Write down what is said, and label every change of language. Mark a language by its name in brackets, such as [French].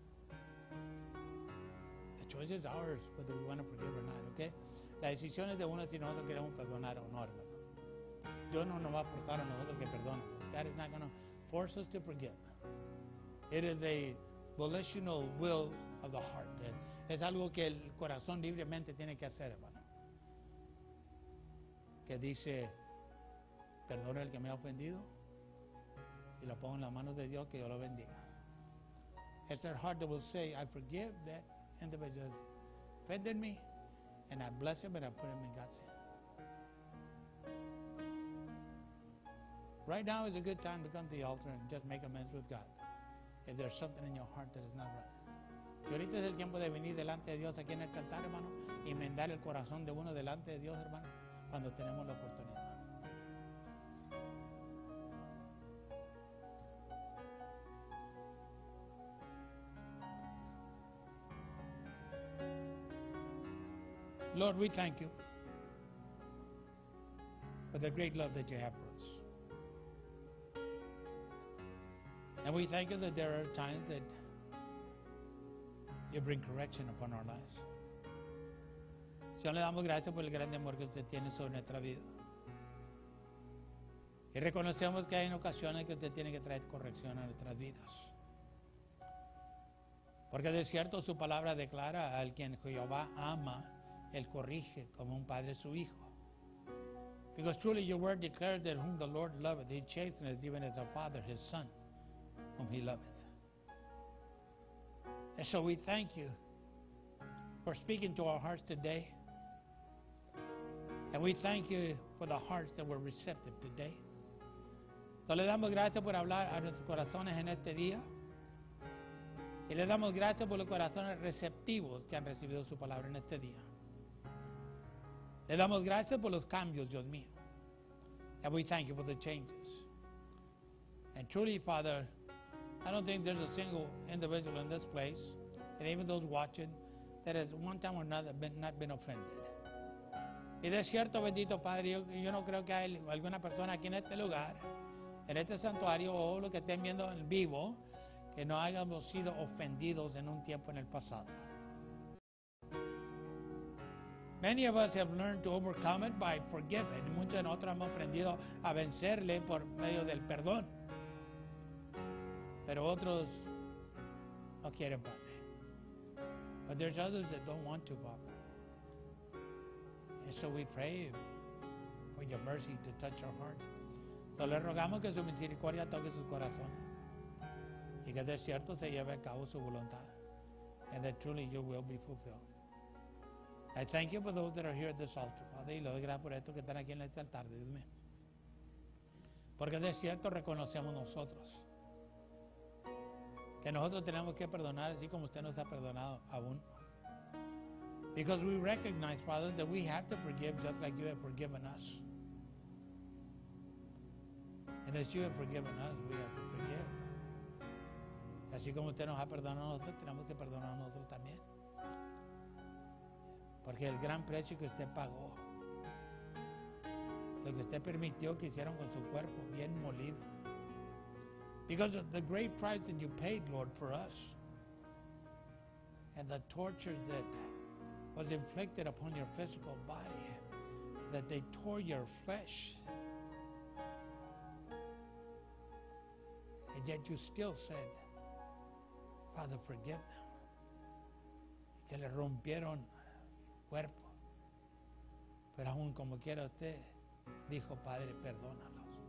[English] The choice is ours, whether we want to forgive or not, okay? [Spanish] La decisión es de uno si nosotros queremos perdonar o no, hermano. Dios no nos va a forzar a nosotros que perdonemos. [English] God is not going to force us to forgive. It is a volitional will of the heart. [Spanish] Es algo que el corazón libremente tiene que hacer, hermano. Que dice, perdona el que me ha ofendido. Y lo pongo en las manos de Dios, que yo lo bendiga. [English] It's their heart that will say, I forgive that individual that offended me. And I bless him and I put him in God's hand. Right now is a good time to come to the altar and just make amends with God. If there's something in your heart that is not right. [Spanish] Y ahorita es el tiempo de venir delante de Dios aquí en el altar, hermano, y enmendar el corazón de uno delante de Dios, hermano, cuando tenemos la oportunidad. [English] Lord, we thank you for the great love that you have for us. And we thank you that there are times that you bring correction upon our lives. [Spanish] Señor, le damos gracias por el grande amor que usted tiene sobre nuestra vida. Y reconocemos que hay ocasiones que usted tiene que traer corrección a nuestras vidas. Porque de cierto su palabra declara al quien Jehová ama, él corrige como un padre su hijo. [English] Because truly your word declares that whom the Lord loveth, he chasteneth even as a father his son. Whom he loveth. And so we thank you for speaking to our hearts today. And we thank you for the hearts that were receptive today. [Spanish] Le damos gracias por hablar a nuestros corazones en este día. Y le damos gracias por los corazones receptivos que han recibido su palabra en este día. Le damos gracias por los cambios, Dios mío. [English] And we thank you for the changes. And truly, Father, I don't think there's a single individual in this place, and even those watching, that has one time or another not been offended. [Spanish] Y de cierto, bendito Padre, yo no creo que hay alguna persona aquí en este lugar, en este santuario, o lo que estén viendo en vivo, que no hayamos sido ofendidos en un tiempo en el pasado. [English] Many of us have learned to overcome it by forgiving. [Spanish] Muchos de nosotros hemos aprendido a vencerle por medio del perdón. Pero otros no quieren, Padre. [English] But there's others that don't want to, Father. And so we pray for your mercy to touch our hearts. [Spanish] So le rogamos que su misericordia toque sus corazones. Y que de cierto se lleve a cabo su voluntad. [English] And that truly your will be fulfilled. I thank you for those that are here at this altar, Father. [Spanish] Y lo doy gracias por esto que están aquí en este altar, Dios mío. Porque de cierto reconocemos nosotros que nosotros tenemos que perdonar así como usted nos ha perdonado aún. [English] Because we recognize, Father, that we have to forgive just like you have forgiven us. And as you have forgiven us, we have to forgive. [Spanish] Así como usted nos ha perdonado a nosotros, tenemos que perdonar a nosotros también. Porque el gran precio que usted pagó, lo que usted permitió que hicieron con su cuerpo, bien molido. [English] Because of the great price that you paid, Lord, for us, and the torture that was inflicted upon your physical body, that they tore your flesh, and yet you still said, Father, forgive them. [Spanish] Y que le rompieron cuerpo. Pero aún como quiera usted, dijo, Padre, perdónalos.